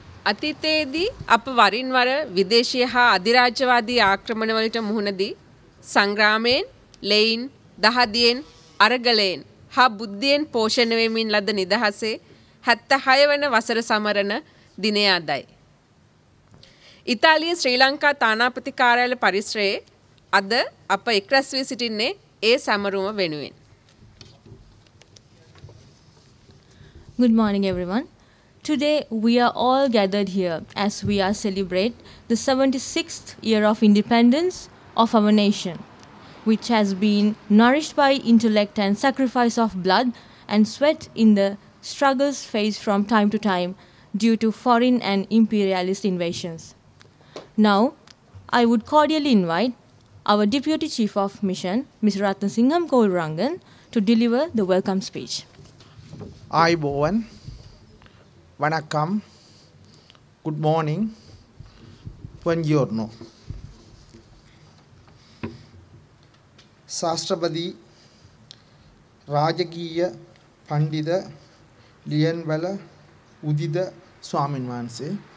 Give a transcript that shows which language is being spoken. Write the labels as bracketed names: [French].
[Sinhala] අතීතයේදී අප වරින් වර විදේශීය හා අධිරාජ්‍යවාදී ආක්‍රමණවලට මුහුණ දී සංග්‍රාමයෙන්, ලෙයින්, දහදියෙන්, අරගලයෙන් හා බුද්ධියෙන් පෝෂණය වෙමින් ලද නිදහසේ 76 වන වසර සමරන දිනය අදයි. ඉතාලියේ ශ්‍රී ලංකා තානාපති කාර්යාල පරිසරයේ අද අප එක් රැස් වී සිටින්නේ ඒ සමරුම වෙනුවෙන්. [English] Good morning, everyone. Today, we are all gathered here as we are celebrate the 76th year of independence of our nation, which has been nourished by intellect and sacrifice of blood and sweat in the struggles faced from time to time due to foreign and imperialist invasions. Now, I would cordially invite our Deputy Chief of Mission, Mr. Ratnasingham Kolurangan, to deliver the welcome speech. [Sinhala] ආයුබෝවන් vanakkam good මෝනිං වන් ජියෝර්නෝ ශාස්ත්‍රපති රාජකීය පණ්ඩිත ලියන්වැල උදිත ස්වාමීන් වහන්සේ